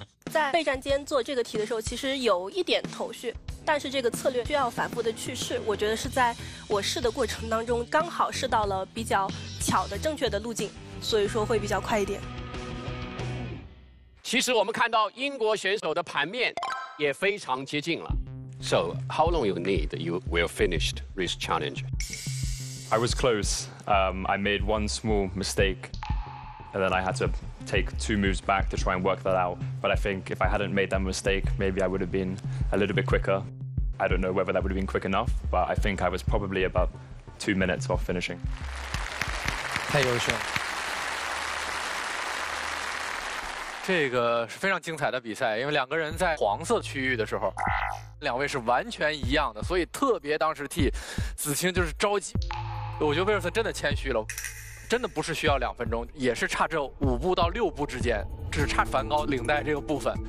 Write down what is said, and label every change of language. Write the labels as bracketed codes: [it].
[zh] 在备战间做这个题的时候，其实有一点头绪，但是这个策略需要反复的去试。我觉得是在我试的过程当中，刚好试到了比较巧的正确的路径，所以说会比较快一点。其实我们看到英国选手的盘面也非常接近了。 [en] So how long you need you will finish this challenge? I was close. I made one small mistake. And then I had to take two moves back to try and work that out. But I think if I hadn't made that mistake, maybe I would have been a little bit quicker. I don't know whether that would have been quick enough, but I think I was probably about 2 minutes off finishing. [zh] 太优秀了。这个是非常精彩的比赛，因为两个人在黄色区域的时候，两位是完全一样的，所以特别当时替子清就是着急。我觉得威尔森真的谦虚了。真的不是需要两分钟，也是差这5步到6步之间，只差梵高领带这个部分。